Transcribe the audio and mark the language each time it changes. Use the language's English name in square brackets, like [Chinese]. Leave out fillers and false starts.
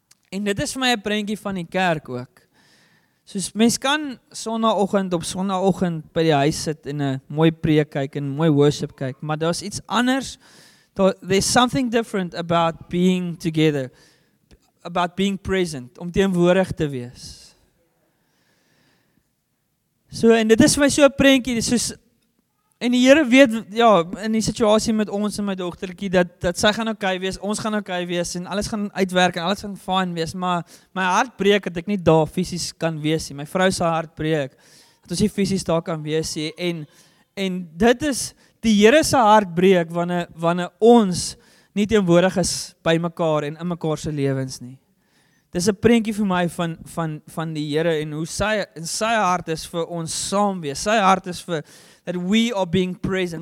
[Afrikaans] En dit is vir my 'n prentjie van die kerk ook. Soos mens kan sonnaoggend by die huis sit en 'n mooi preek kyk en mooi worship kyk, maar daar is iets anders. [English] There's something different about being together, about being present, [Afrikaans] om teenwoordig te wees. So en dit is vir my so 'n prentjie, soos en die Here weet ja, in die situasie met ons en my dogtertjie dat sy gaan okay wees, ons gaan okay wees en alles gaan uitwerk en alles gaan fyn wees, maar my hart breek dat ek nie daar fisies kan wees nie. My vrou se hart breek dat ons nie fisies daar kan wees nie. En dit is die Here se hart breek wanneer ons nie teenwoordig is by mekaar en in mekaar se lewens nie. Dis 'n prentjie vir my van die Here en hoe sy hart is vir ons saam wees. Sy hart is vir [English] that we are being present.